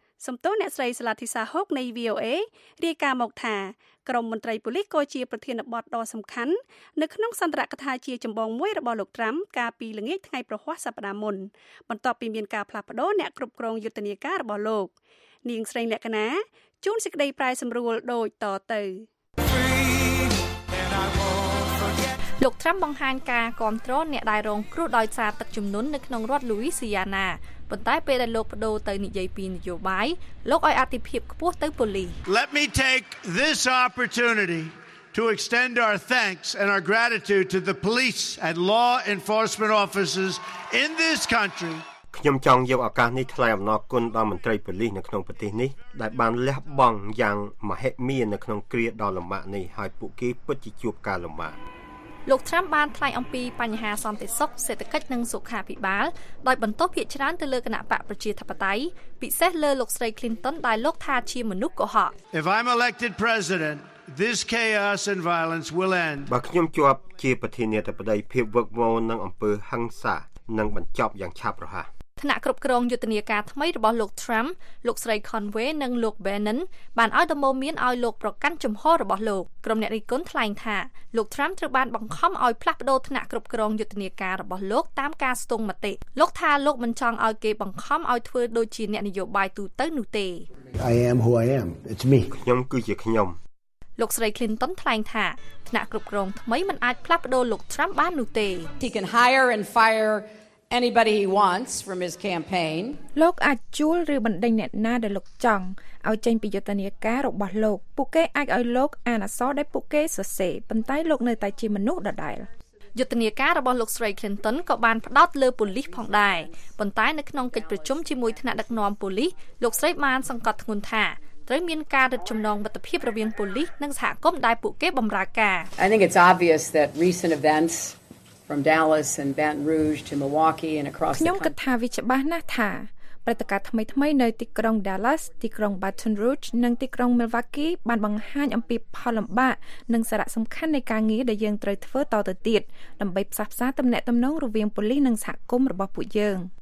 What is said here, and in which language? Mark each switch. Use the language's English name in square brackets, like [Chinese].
[Khmer] សំតោអ្នកស្រីសាឡាធីសាហុកនៃ VOA រាយការណ៍មកថាក្រមមន្ត្រីប៉ូលីសក៏ជាប្រធានបទដ៏សំខាន់នៅក្នុងសន្ទរកថាជាចម្បងមួយរបស់លោកត្រាំកាលពីល្ងាចថ្ងៃប្រហ័សសប្តាហ៍មុនបន្ទាប់ពីមានការផ្លាស់ប្តូរអ្នកគ្រប់គ្រងយុទ្ធនាការរបស់លោកនាងស្រីលក្ខណាជួនសេចក្តីប្រែសម្រួលដូចតទៅ លោកត្រាំបង្ហាញការគ្រប់គ្រងអ្នកដែលរងគ្រោះដោយសារទឹកជំនន់នៅក្នុងរដ្ឋលូវីស៊ីយ៉ាណាប៉ុន្តែពេលដែលលោកបដូរទៅនិយាយពីនយោបាយលោកឲ្យអធិភាពខ្ពស់ទៅប៉ូលីស [English] Let me take this opportunity to extend our thanks and our gratitude to the police and law enforcement officers in this country [Khmer] ខ្ញុំចង់យកឱកាសនេះថ្លែងអំណរគុណដល់មន្ត្រីប៉ូលីសនៅក្នុងប្រទេសនេះដែលបានលះបង់យ៉ាងមហិមានៅក្នុងគ្រាដ៏លំបាកនេះឲ្យពួកគេពិតជាជួបការលំបាក លោកត្រាំបានថ្លែងអំពីបញ្ហាសន្តិសុខសេដ្ឋកិច្ចនិងសុខាភិបាលដោយបន្តភាកច្រើនទៅលើគណៈបកប្រជាធិបតេយ្យពិសេសលើលោកស្រី Clinton ដែលលោកថាជាមនុស្សកុហក [English] If I'm elected president this chaos and violence will end [Khmer] បើខ្ញុំជាប់ជាប្រធានាធិបតីភាពវឹកវរនិងអំពើហិង្សានឹងបញ្ចប់យ៉ាងឆាប់រហ័ស ថ្នាក់គ្រប់គ្រងយុទ្ធនាការថ្មីរបស់លោកត្រាំលោកស្រី Conway និងលោក Bannon បានឲ្យដំបូន្មានឲ្យលោកប្រកាន់ជំហររបស់លោកក្រុមអ្នករិះគន់ថ្លែងថាលោកត្រាំត្រូវបានបង្ខំឲ្យផ្លាស់ប្តូរថ្នាក់គ្រប់គ្រងយុទ្ធនាការរបស់លោកតាមការស្ទង់មតិលោកថាលោកមិនចង់ឲ្យគេបង្ខំឲ្យធ្វើដូចជាអ្នកនយោបាយទូទៅនោះទេ [English] I am who I am it's me [Khmer] ខ្ញុំគឺជាខ្ញុំ លោកស្រី Clinton ថ្លែងថាថ្នាក់គ្រប់គ្រងថ្មីមិនអាចផ្លាស់ប្តូរលោកត្រាំបាននោះទេ [English] He can hire and fire anybody he wants from his campaign [Khmer] លោកអាចជួលឬបណ្តេញអ្នកណាដែលលោកចង់ឲ្យចេញពីយុទ្ធនាការរបស់លោកពួកគេអាចឲ្យលោកអានអសរដែលពួកគេសរសេរប៉ុន្តែលោកនៅតែជាមនុស្សដដែល យុទ្ធនាការរបស់លោកស្រី Clinton ក៏បានផ្ដោតលើប៉ូលីសផងដែរប៉ុន្តែនៅក្នុងកិច្ចប្រជុំជាមួយថ្នាក់ដឹកនាំប៉ូលីសលោកស្រីបានសង្កត់ធ្ងន់ថាត្រូវមានការរឹតចំណងមិត្តភាពរវាងប៉ូលីសនិងសហគមន៍ដែលពួកគេបម្រើការ [English] I think it's obvious that recent events from Dallas and Baton Rouge to Milwaukee and across [Khmer] ខ្ញុំគិតថាវាច្បាស់ណាស់ថាព្រឹត្តិការណ៍ថ្មីៗនៅទីក្រុង Dallas ទីក្រុង Baton Rouge និងទីក្រុង Milwaukee បានបង្ហាញអំពីផលលំបាកនិងសារៈសំខាន់នៃការងារដែលយើងត្រូវធ្វើតទៅទៀតដើម្បីផ្សះផ្សាទំនាក់ទំនងរវាងប៉ូលីសនិងសហគមន៍របស់ពួកយើង